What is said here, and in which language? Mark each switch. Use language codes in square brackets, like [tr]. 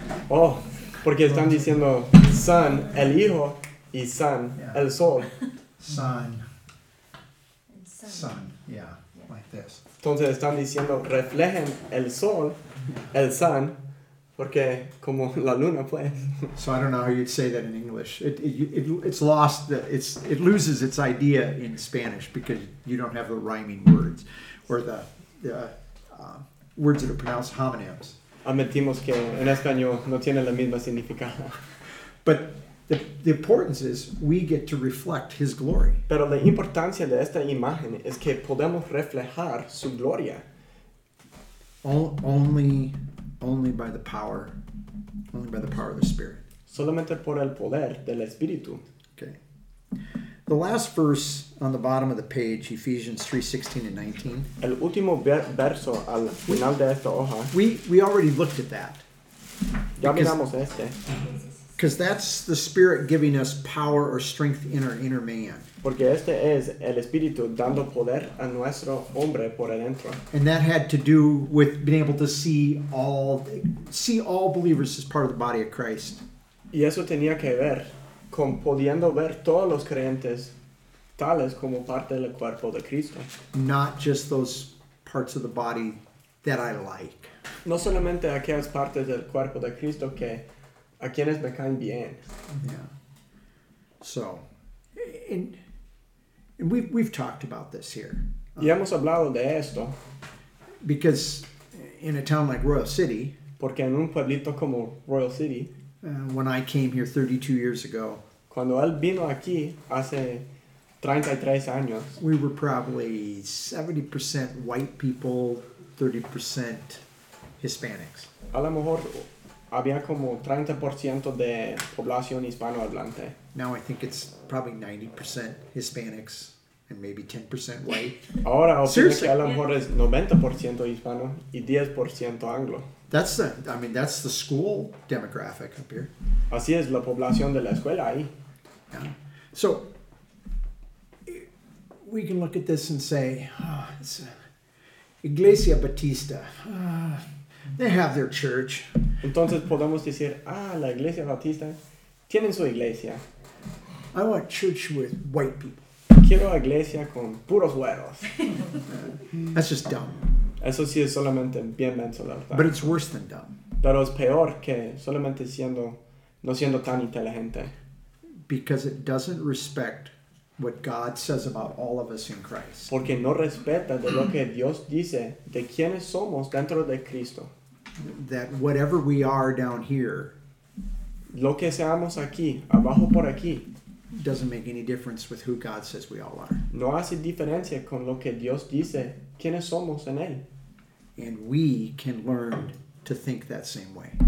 [es] Oh, porque están diciendo sun, el hijo, y sun, yeah. El sol. [en] Sun. Sun. Yeah, like this. [es] Entonces están diciendo reflejen el sol, el sun, porque como la luna pues. [en] So I don't know how you'd say that in English. It loses its idea in Spanish because you don't have the rhyming words or the words that are pronounced homonyms. [es] Admitimos que en español no tiene la misma significado. [en] But The importance is we get to reflect His glory. [es] Pero la importancia de esta imagen es que podemos reflejar su gloria. [en] Only by the power of the Spirit. [es] Solamente por el poder del Espíritu. [en] Okay. The last verse on the bottom of the page, Ephesians 3:16 and 19. [es] El último verso al final de esta hoja. [en] We already looked at that. [es] Ya miramos este. [en] Because that's the Spirit giving us power or strength in our inner man. [es] Porque este es el Espíritu dando poder a nuestro hombre por adentro. [en] And that had to do with being able to see all believers as part of the body of Christ. [es] Y eso tenía que ver con pudiendo ver todos los creyentes tales como parte del cuerpo de Cristo. [en] Not just those parts of the body that I like. [es] No solamente aquellas partes del cuerpo de Cristo que... A quienes me caen bien. [en] Yeah. So, and we've talked about this here. [es] Y hemos hablado de esto. [en] Because in a town like Royal City. [es] Porque en un pueblito como Royal City. [en] When I came here 32 years ago. [es] Cuando él vino aquí hace 33 años, [en] we were probably 70% white people, 30% Hispanics. [es] A lo mejor había como 30% de población hispanohablante. [en] Now I think it's probably 90% Hispanics and maybe 10% white. [es] Ahora opino que a lo mejor es 90% hispano y 10% anglo. [en] That's the school demographic up here. [es] Así es la población de la escuela ahí. [en] Yeah. So we can look at this and say, oh, it's Iglesia Batista. They have their church. [es] Entonces podemos decir, la Iglesia Batista tienen su iglesia. [en] I want church with white people. [es] Quiero iglesia con puros güeros. [en] That's just dumb. [es] Eso sí es solamente bien menso, la verdad. [en] But it's worse than dumb. [es] Pero es peor que solamente siendo, no siendo tan inteligente. [en] Because it doesn't respect what God says about all of us in Christ. [es] Porque no respeta de lo que Dios dice de quiénes somos dentro de Cristo. [en] That whatever we are down here, [es] lo que seamos aquí, abajo por aquí, [en] doesn't make any difference with who God says we all are. [es] No hace diferencia con lo que Dios dice quiénes somos en él. [en] And we can learn to think that same way.